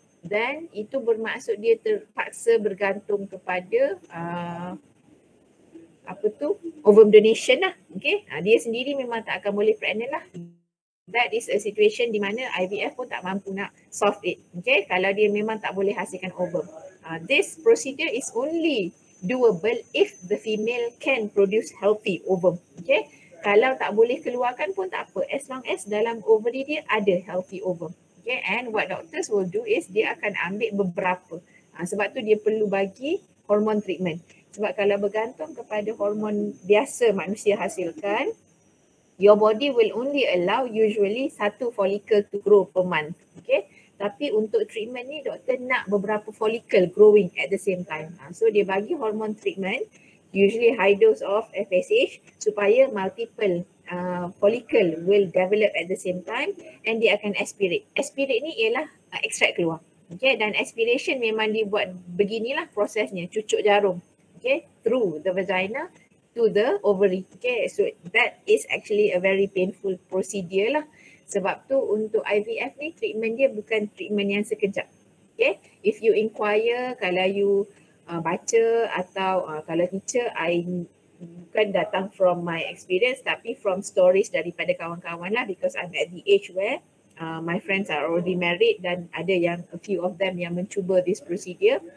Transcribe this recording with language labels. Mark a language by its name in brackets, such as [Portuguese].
[Malay] dan itu bermaksud dia terpaksa bergantung kepada apa tu, ovum donation lah. Okay, dia sendiri memang tak akan boleh pregnant lah. [English] That is a situation [Malay] di mana IVF pun tak mampu nak [English] solve it. [Malay] Okay, kalau dia memang tak boleh hasilkan ovum. [English] This procedure is only doable if the female can produce healthy ovum. [Malay] Okay, kalau tak boleh keluarkan pun tak apa. [English] As long as [Malay] dalam [English] ovary [Malay] dia ada [English] healthy ovum. Okay, and what doctors will do is [Malay] dia akan ambil beberapa. Sebab tu dia perlu bagi hormone treatment. Sebab kalau bergantung kepada hormon biasa manusia hasilkan, [English] your body will only allow usually [Malay] satu follicle [English] to grow per month. [Malay] Okay. Tapi untuk treatment ni, doktor nak beberapa follicle growing at the same time. [English] So [Malay] dia bagi [English] hormone treatment, usually high dose of FSH, [Malay] supaya [English] multiple follicle will develop at the same time, and [Malay] dia akan [English] aspirate. [Malay] Aspirate ni ialah extract keluar. Okay. Dan aspiration memang dia buat beginilah prosesnya, cucuk jarum. [English] Okay, through the vagina to the ovary. Okay, so that is actually a very painful procedure lah. [Malay] Sebab tu untuk IVF ni, treatment dia bukan treatment yang sekejap. [English] Okay, if you inquire, [Malay] kalau [English] you [Malay] baca atau kalau [English] teacher, I [Malay] bukan datang [English] from my experience [Malay] tapi [English] from stories [Malay] daripada kawan-kawan lah, [English] because I'm at the age where my friends are already married [Malay] dan ada yang [English] a few of them [Malay] yang mencuba [English] this procedure.